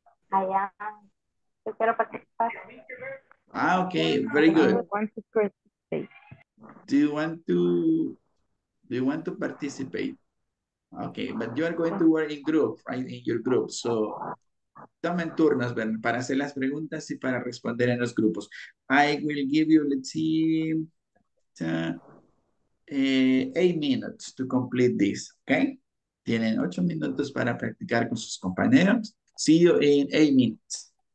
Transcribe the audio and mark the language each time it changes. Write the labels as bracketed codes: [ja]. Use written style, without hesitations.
[en] Okay, very good. Do you want to Do you want to participate? Okay, but you are going to work in group, right? In your group. So, [es] tomen turnos, ¿ven? Para hacer las preguntas y para responder en los grupos. [en] I will give you, let's see, 8 minutes to complete this, okay? [es] Tienen 8 minutos para practicar con sus compañeros. [en] See you in 8 minutes.